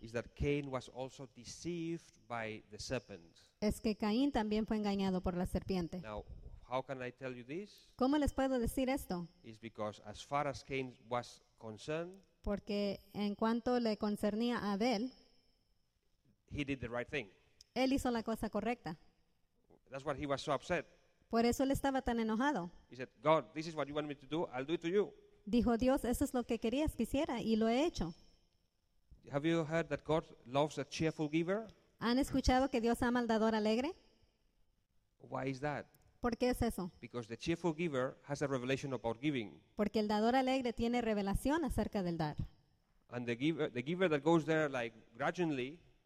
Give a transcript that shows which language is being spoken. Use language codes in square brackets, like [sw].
[en] is that Cain was also deceived by the serpent. [es] Es que Caín también fue engañado por la serpiente. [en] Now, how can I tell you this? [es] ¿Cómo les puedo decir esto? [en] It's because as far as Cain was concerned, [es] porque en cuanto le concernía a Abel, [en] he did the right thing. [es] Él hizo la cosa correcta. [en] That's why he was so upset. [es] Por eso él estaba tan enojado. [en] He said, God, this is what you want me to do, I'll do it to you. [es] Dijo Dios, eso es lo que querías que hiciera y lo he hecho. [en] Have you heard that God loves a cheerful giver? [es] ¿Han escuchado que Dios ama al dador alegre? [en] Why is that? [es] ¿Por qué es eso? [en] Because the cheerful giver has a revelation about giving. [es] Porque el dador alegre tiene revelación acerca del dar. [en] And the giver that goes there like grudgingly,